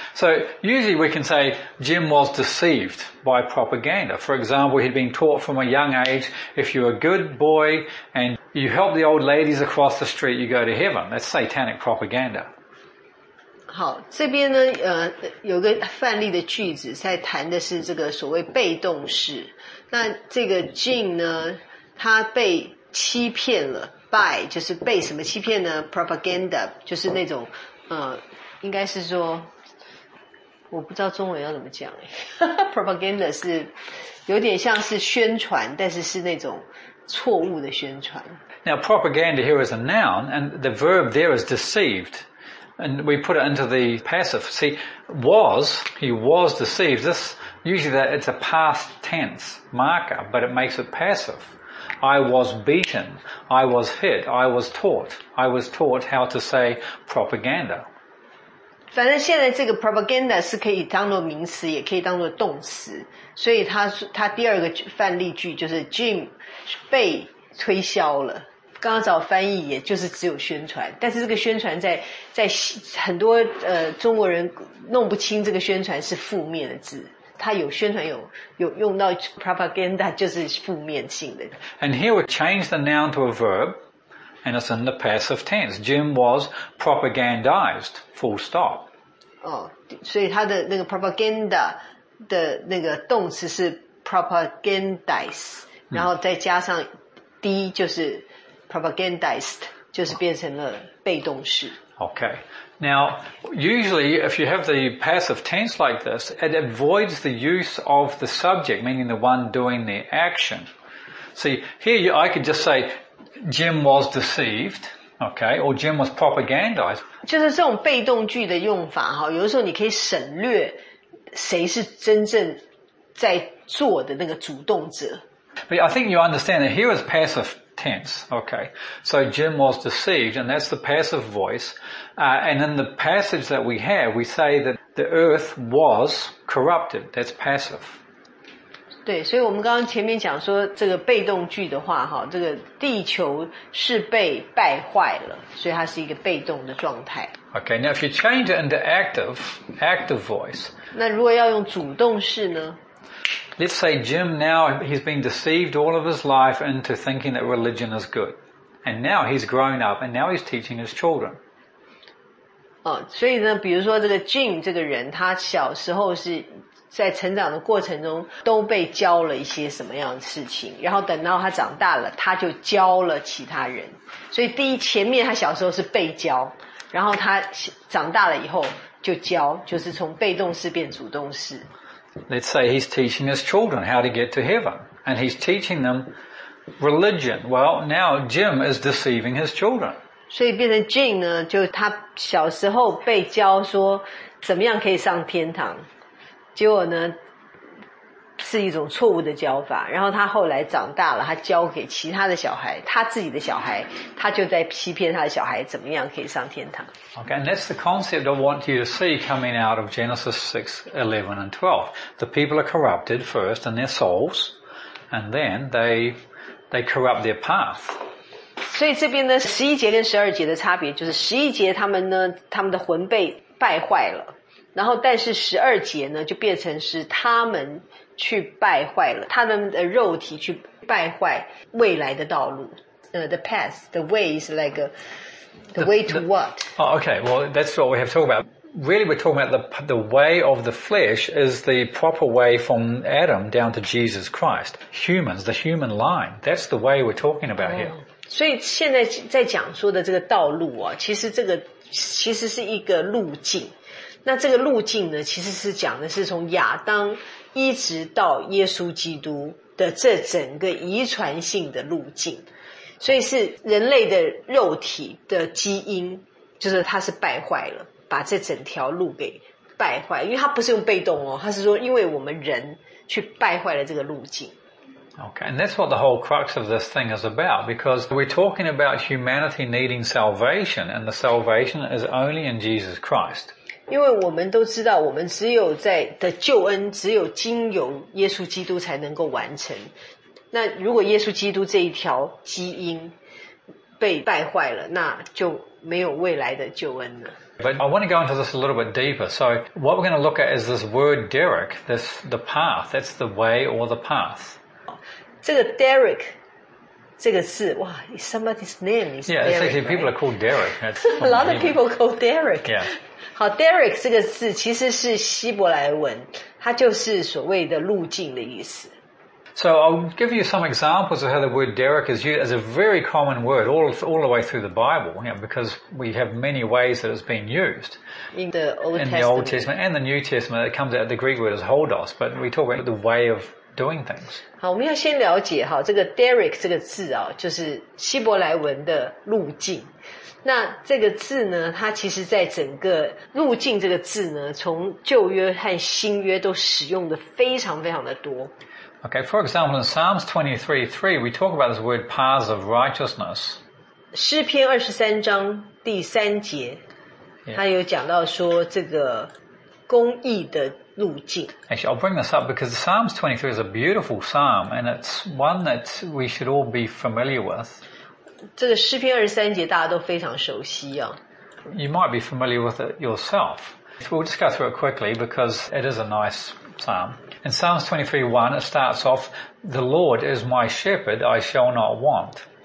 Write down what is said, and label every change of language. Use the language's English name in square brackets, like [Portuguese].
[English] So usually we can say Jim was deceived by propaganda. For example, he'd been taught from a young age, if you're a good boy and you help the old ladies across the street, you go to heaven. That's satanic propaganda. [Chinese] 好，这边呢，有个范例的句子在谈的是这个所谓被动式。那这个 Jim 呢，他被欺骗了 ，by 就是被什么欺骗呢 ？Propaganda 就是那种，应该是说，我不知道中文要怎么讲。 Propaganda 是有点像是宣传，但是是那种错误的宣传。 [English] Now propaganda here is a noun, and the verb there is deceived. And we put it into the passive. See, was, he was deceived. This, usually that it's a past tense marker, but it makes it passive. I was beaten. I was hit. I was taught. I was taught how to say propaganda. [Chinese] 反正现在这个 propaganda 是可以当作名词，也可以当作动词。所以他第二个范例句就是 Jim 被推销了。刚刚找翻译也就是只有宣传，但是这个宣传在很多中国人弄不清这个宣传是负面的字，它有宣传有用到 propaganda 就是负面性的。 [English] And here we change the noun to a verb, and it's in the passive tense. Jim was propagandized. Full stop. [Chinese] 哦，所以他的那个 propaganda 的那个动词是 propagandize，然后再加上 d 就是。 Propagandized 就是变成了被动式。 [English] Okay. Now, usually if you have the passive tense like this, it avoids the use of the subject, meaning the one doing the action. See, here I could just say, Jim was deceived, okay, or Jim was propagandized. [Chinese] 就是这种被动句的用法，有的时候你可以省略谁是真正在做的那个主动者。 [English] But I think you understand that here is passive tense. Okay. So Jim was deceived, and that's the passive voice. And in the passage that we have, we say that the earth was corrupted. That's passive. [Chinese] 对，所以我们刚刚前面讲说这个被动句的话，这个地球是被败坏了，所以它是一个被动的状态。 [English] Okay. Now if you change it into active voice. [Chinese] 那如果要用主动式呢？ [English] Let's say Jim now, he's been deceived all of his life into thinking that religion is good. And now he's grown up and now he's teaching his children. [Chinese] 所以呢比如说这个 Jim 这个人他小时候是在成长的过程中都被教了一些什么样的事情然后等到他长大了他就教了其他人。所以第一前面他小时候是被教然后他长大了以后就教就是从被动式变主动式。 [English] Let's say he's teaching his children how to get to heaven, and he's teaching them religion. Well, now Jim is deceiving his children. [Chinese] 所以变成 Jim 呢，就他小时候被教说怎么样可以上天堂，结果呢是一种错误的教法。然后他后来长大了，他教给其他的小孩，他自己的小孩，他就在欺骗他的小孩怎么样可以上天堂。 [English] Okay, and that's the concept I want you to see coming out of Genesis 6, 11 and 12. The people are corrupted first in their souls, and then they corrupt their path. [Chinese] 所以这边呢 ,11 节跟12节的差别就是11节他们呢他们的魂被败坏了。然后但是12节呢就变成是他们去败坏了他们的肉体去败坏未来的道路。 [English] The path, the way is like The way to what? Oh, okay, well, that's what we have to talk about. Really, we're talking about the way of the flesh is the proper way from Adam down to Jesus Christ. Humans, the human line. That's the way we're talking about here. [Chinese] 所以现在在讲说的这个道路啊，其实是一个路径。那这个路径呢，其实是讲的是从亚当一直到耶稣基督的这整个遗传性的路径。所以是人类的肉体的基因就是它是败坏了把这整条路给败坏因为它不是用被动哦它是说因为我们人去败坏了这个路径。 [English] Okay, and that's what the whole crux of this thing is about, because we're talking about humanity needing salvation, and the salvation is only in Jesus Christ. [Chinese] 因为我们都知道我们只有在的救恩只有经由耶稣基督才能够完成。那如果耶稣基督这一条基因被败坏了，那就没有未来的救恩了。 [English] But I want to go into this a little bit deeper. So what we're going to look at is this word Derek, this the path, that's the way or the path. [Chinese] 这个 Derek 这个字，哇 ， [English] is somebody's name is Derek, Yeah, actually, people are called Derek. A lot of people call Derek. Yeah. [Chinese] 好 ，Derek 这个字其实是希伯来文，它就是所谓的路径的意思。 [English] So I'll give you some examples of how the word Derek is used as a very common word all the way through the Bible, you know, because we have many ways that it's being used. In the Old Testament and the New Testament, it comes out, the Greek word is holdos, but we talk about the way of doing things. [Chinese] 好，我们要先了解哈，这个 Derek 这个字啊，就是希伯来文的路径。那这个字呢，它其实在整个路径这个字呢，从旧约和新约都使用的非常非常的多。 [English] Okay, for example, in Psalms 23:3, we talk about this word paths of righteousness. [Chinese] 诗篇23章第三节，他有讲到说这个公义的路径。 [English] Actually, I'll bring this up because Psalms 23 is a beautiful psalm, and it's one that we should all be familiar with. [Chinese] 这个诗篇23节大家都非常熟悉啊。 [English] You might be familiar with it yourself. We'll just go through it quickly because it is a nice psalm. In Psalms 23:1, it starts off, The Lord is my shepherd, I shall not want.